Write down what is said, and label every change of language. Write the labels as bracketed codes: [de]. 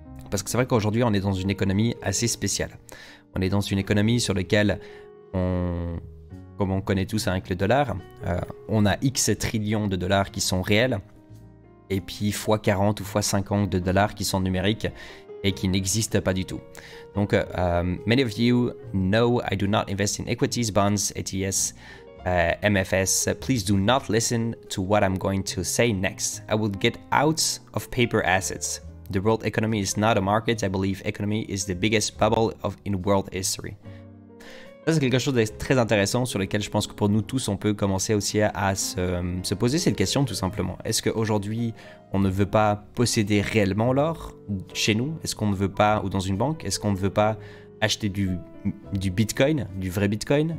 [fr] Parce que c'est vrai qu'aujourd'hui, on est dans une économie assez spéciale. On est dans une économie sur laquelle, comme on connaît tous avec le dollar, on a X trillions de dollars qui sont réels et puis x 40 ou x 50 de dollars qui sont numériques et qui n'existent pas du tout. [en] Donc, many of you know I do not invest in equities, bonds, ETFs. MFS, please do not listen to what I'm going to say next. I will get out of paper assets. The world economy is not a market. I believe economy is the biggest bubble in world history. [fr] Ça, c'est quelque chose de très intéressant sur lequel je pense que pour nous tous, on peut commencer aussi à se poser cette question tout simplement. Est-ce qu'aujourd'hui, on ne veut pas posséder réellement l'or chez nous? Est-ce qu'on ne veut pas, ou dans une banque, est-ce qu'on ne veut pas acheter du Bitcoin, du vrai Bitcoin?